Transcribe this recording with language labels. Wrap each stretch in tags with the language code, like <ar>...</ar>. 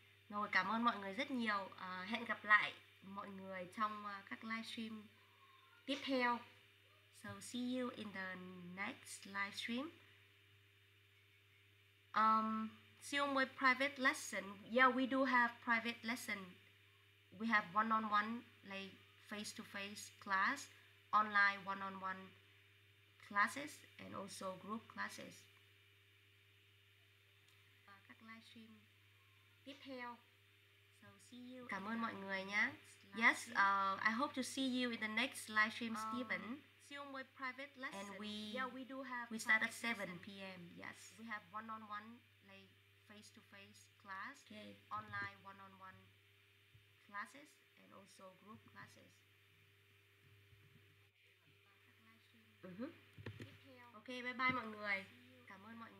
<vi>Rồi, cảm ơn mọi người rất nhiều. Hẹn gặp lại mọi người trong các live stream tiếp theo.</vi> <en>So see you in the next live stream. See you on my private lesson. Yeah, we do have private lesson. We have one-on-one, like face-to-face class, online one-on-one classes, and also group classes.</en> <vi>Các live stream tiếp theo.</vi> <en>So see you.</en> <vi>Cảm ơn mọi người nhé.</vi> <en>Yes, I hope to see you in the next live stream, Stephen. Private lesson. And we start at 7 p.m. Yes. We have one-on-one, like face-to-face class, okay. Online one-on-one classes, and also group classes.</en> <vi>Okay, bye-bye mọi người. Cảm ơn mọi người.</vi>